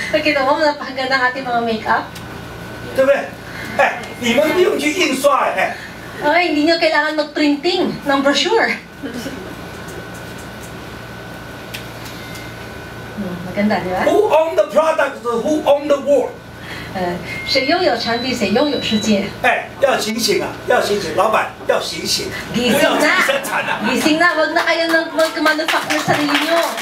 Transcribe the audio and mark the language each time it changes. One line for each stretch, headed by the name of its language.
Filipino: Okay, tama na paganda ng ating mga makeup.
Chinese: 对不对？哎，你们不用去印刷哎。
Filipino: Okay, hindi nyo kailangan mag-printing ng brochure. 嗯，maganda di ba?
English: Who own the products? Who own the world?
Chinese: 谁拥有产品，谁拥有世界。哎，要醒醒啊！要醒醒，老板要醒醒，不要自己生产啊！醒醒啊！
Filipino: Wag na kayo nang mag-manufacture sa sarili nyo.